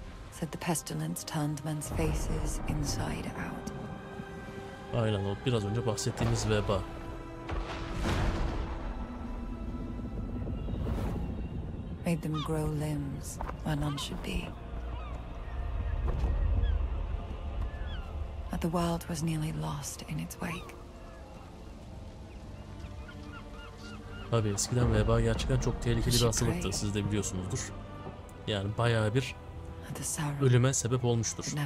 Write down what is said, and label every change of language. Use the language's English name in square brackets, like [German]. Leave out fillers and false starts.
[English] Said the pestilence turned men's faces inside out. [Turkish] Aynen o biraz önce bahsettiğimiz veba. [English] Made them grow limbs where none should be. But the world was nearly lost in its wake. [Turkish] Abi eskiden veba gerçekten çok tehlikeli bir hastalıktı, siz de biliyorsunuzdur. Yani bayağı bir ölüme sebep olmuştur.